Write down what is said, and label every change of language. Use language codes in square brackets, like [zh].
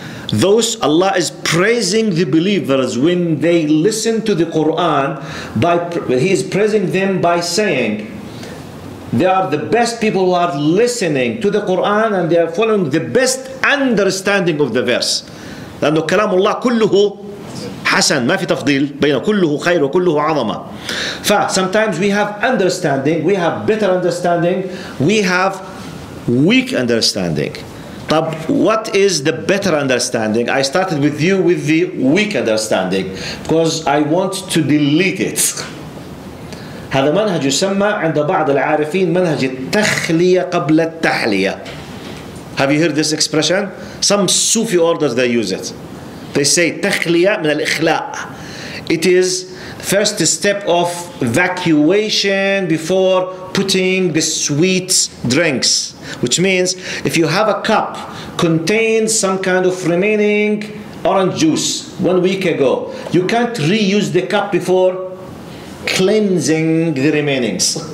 [en] Those Allah is praising the believers when they listen to the Quran, by He is praising them by saying they are the best people who are listening to the Quran and they are following the best understanding of the verse. [ar] لأنه كلام الله كله حسن، ما في تفضيل بين كله خير وكله عظمة. [en] ف sometimes we have understanding, we have better understanding, we have weak understanding. طب what is the better understanding? I started with you with the weak understanding because I want to delete it. [ar] هذا منهج يسمى عند بعض العارفين منهج التخلية قبل التحلية. [en] Have you heard this expression? Some Sufi orders they use it. They say [ar] تخليه من الإخلاء. [en] It is first step of evacuation before putting the sweet drinks. Which means if you have a cup contains some kind of remaining orange juice 1 week ago, you can't reuse the cup before cleansing the remainings.